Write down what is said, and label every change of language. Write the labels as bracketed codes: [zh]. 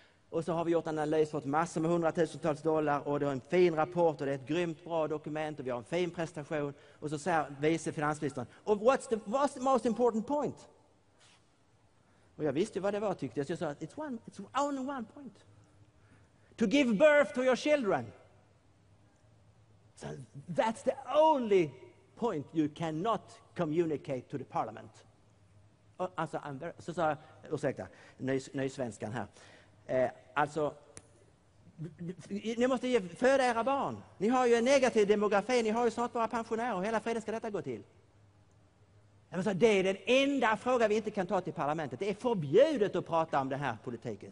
[sv] Och så har vi gjort en analys, fått massor med hundratusentals dollar. Och det är en fin rapport och det är ett grymt bra dokument. Och vi har en fin prestation. Och så säger vice finansministern, [en] oh, what's the most important point? [sv] Och jag visste vad det var, tyckte jag. Så jag sa, [en] it's only one point. To give birth to your children. So that's the only point you cannot communicate to the parliament. [sv] Och, alltså, så sa jag, ursäkta, nysvenskan här. Alltså, ni måste föda era barn. Ni har ju en negativ demografi, ni har ju snart bara pensionärer. Hela freden ska detta gå till. Så det är den enda frågan vi inte kan ta till parlamentet. Det är förbjudet att prata om den här politiken.